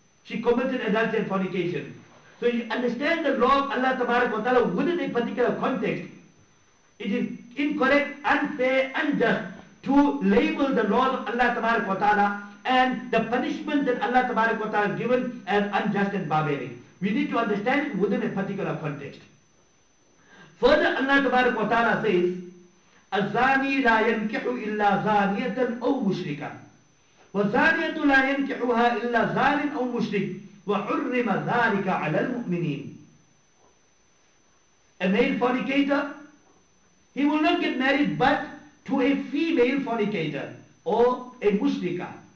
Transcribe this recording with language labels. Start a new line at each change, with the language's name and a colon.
English: She committed adultery and fornication. So you understand the law of Allah Tabarak wa Ta'ala within a particular context. It is incorrect, unfair, unjust to label the law of Allah Tabarak wa Ta'ala and the punishment that Allah Tabarak wa Ta'ala has given as unjust and barbaric. We need to understand it within a particular context. Further, Allah Tabarak wa Ta'ala says,
Arabic: الزاني لا ينكح إلا زانية أو مشركة. وَالزَّانِيَةُ لَا يَنْكِحُهَا إِلَّا زَانٍ أَوْ مُشْرِكٍ وَحُرِّمَ ذَٰلِكَ عَلَى الْمُؤْمِنِينَ.
English: A male fornicator, he will not get married but to a female fornicator or a mushrika.